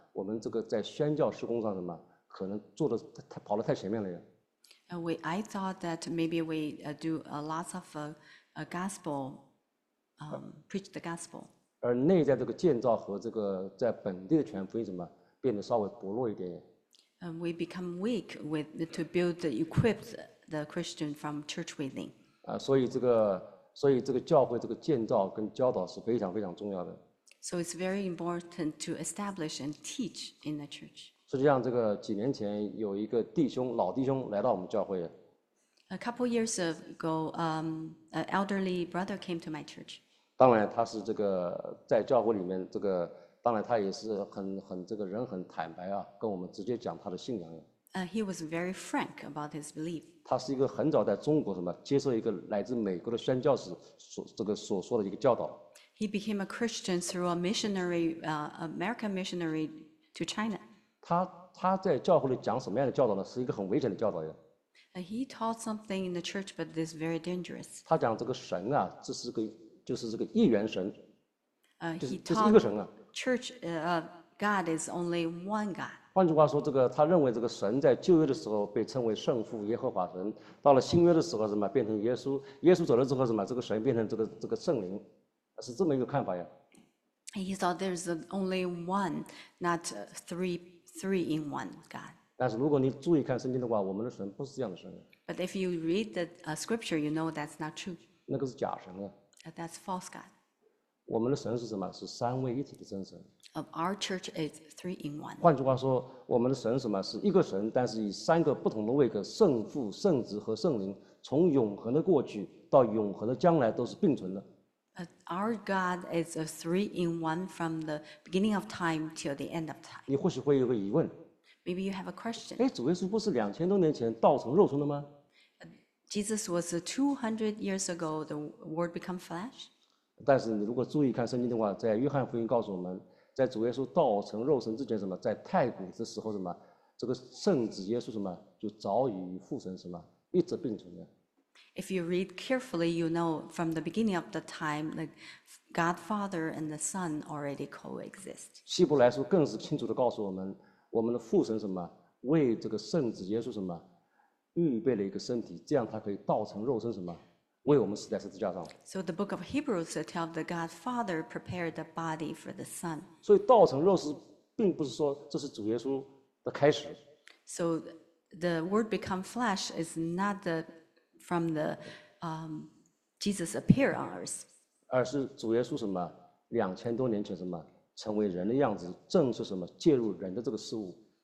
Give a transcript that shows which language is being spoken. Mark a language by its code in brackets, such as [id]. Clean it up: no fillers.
[zh] 我们这个在宣教施工上什么，可能做的太跑得太前面了呀。 [en] I thought that maybe we do a lot of gospel, preach the gospel. [zh] 而内在这个建造和这个在本地的全福音什么变得稍微薄弱一点。 [en] We become weak with to build the equip the Christian from church within. [zh] 所以这个教会这个建造跟教导是非常非常重要的。 [en] So it's very important to establish and teach in the church. [zh] 实际上，这个几年前有一个弟兄，老弟兄来到我们教会。 [en] A couple years ago, an elderly brother came to my church. [zh] 当然，他是这个在教会里面这个。当然，他也是很这个人很坦白啊，跟我们直接讲他的信仰。 [en] He was very frank about his belief. [zh] 他是一个很早在中国什么接受一个来自美国的宣教士所说的一个教导。 [en] He became a Christian through a missionary, American missionary to China. [zh] 他在教会里讲什么样的教导呢？是一个很危险的教导呀。 [en] He taught something in the church, but this very dangerous. [zh] 他讲这个神啊，这是个就是这个一元神。这是一个神啊。 [en] Church, God is only one God. [zh] 换句话说，这个他认为这个神在旧约的时候被称为圣父耶和华神，到了新约的时候什么变成耶稣，耶稣走了之后什么这个神变成这个圣灵，是这么一个看法呀。 [en] He thought there's only one, not three in one God. [zh] 但是如果你注意看圣经的话，我们的神不是这样的神。 [en] But if you read the scripture, you know that's not true. [zh] 那个是假神啊。 [en] That's false God. [zh] 我们的神是什么？是三位一体的真神。 [en] Of our church is three in one. [zh] 换句话说，我们的神是什么？是一个神，但是以三个不同的位格，圣父、圣子和圣灵，从永恒的过去到永恒的将来都是并存的。 [en] Our God is a three in one from the beginning of time till the end of time. [zh] 你或许会有个疑问。 [en] Maybe you have a question. [zh] 主耶稣不是两千多年前道成肉身的吗？ [en] Jesus was 200 years ago, the word become flesh. [zh] 但是你如果注意看圣经的话，在约翰福音告诉我们，在主耶稣道成肉身之前，什么在太古的时候，什么这个圣子耶稣什么就早已与父神什么一直并存的。 [en] If you read carefully, you know from the beginning of the time, the God Father and the Son already coexist. [zh] 希伯来书更是清楚地告诉我们，我们的父神什么为这个圣子耶稣什么预备了一个身体，这样他可以道成肉身什么。为我们死在十字架上。 [en] So the book of Hebrews tells the God Father prepared the body for the Son. [zh] 所以道成肉身，并不是说这是主耶稣的开始。 [en] So the word become flesh is not the from the Jesus appear on earth. [zh] 而是主耶稣什么两千多年前什么成为人的样子，正是什么介入人的这个事物。